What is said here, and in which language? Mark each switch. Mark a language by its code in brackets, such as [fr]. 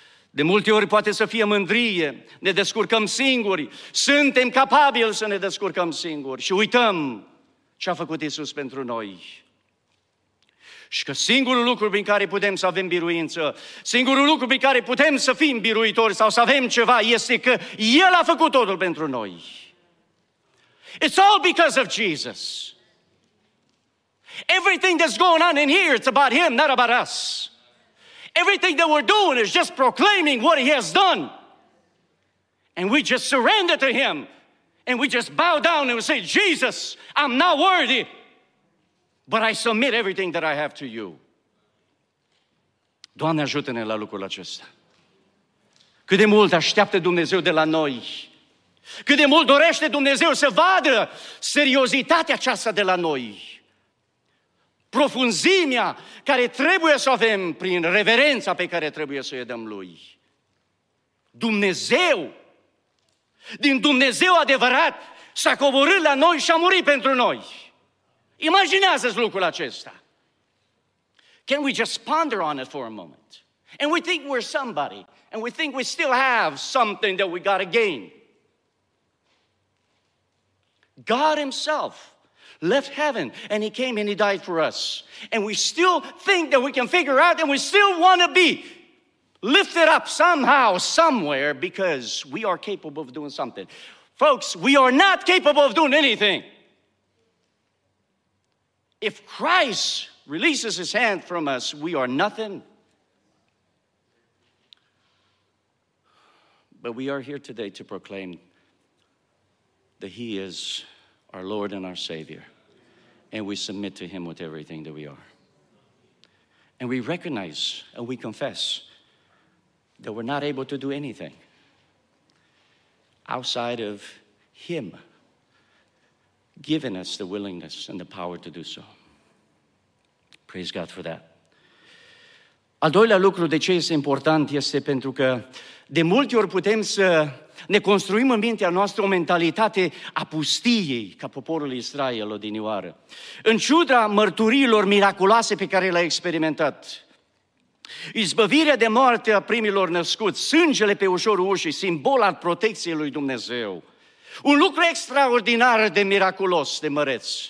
[ro] De multe ori poate să fie mândrie, ne descurcăm singuri, suntem capabili să ne descurcăm singuri și uităm ce a făcut Iisus pentru noi. Și că singurul lucru prin care putem să avem biruință, singurul lucru prin care putem să fim biruitori sau să avem ceva, este că El a făcut totul pentru noi. [en] It's all because of Jesus. Everything that's going on in here, it's about Him, not about us. Everything that we're doing is just proclaiming what He has done. And we just surrender to Him. And we just bow down and we say, Jesus, I'm not worthy, but I submit everything that I have to You. [ro] Doamne, ajută-ne la lucrul acesta. Cât de mult așteaptă Dumnezeu de la noi. Cât de mult dorește Dumnezeu să vadă seriozitatea aceasta de la noi. Profunzimea care trebuie să avem prin reverența pe care trebuie să o dăm Lui. Dumnezeu, din Dumnezeu adevărat, s-a coborât la noi și a murit pentru noi. Imaginează-ți lucrul acesta. [en] Can we just ponder on it for a moment? And we think we're somebody. And we think we still have something that we got to gain. God himself left heaven and he came and he died for us. And we still think that we can figure out and we still want to be lifted up somehow, somewhere, because we are capable of doing something. Folks, we are not capable of doing anything. If Christ releases his hand from us, we are nothing. But we are here today to proclaim that he is our Lord and our Savior. And we submit to him with everything that we are. And we recognize and we confess that we're not able to do anything outside of him giving us the willingness and the power to do so. Praise God for that. [ro] Al doilea lucru de ce este important este pentru că de multe ori putem să ne construim în mintea noastră o mentalitate a pustiei ca poporul Israel odinioară. În ciuda mărturiilor miraculoase pe care le-a experimentat, izbăvirea de moarte a primilor născuți, sângele pe ușorul ușii, simbol al protecției lui Dumnezeu, un lucru extraordinar de miraculos, de măreț.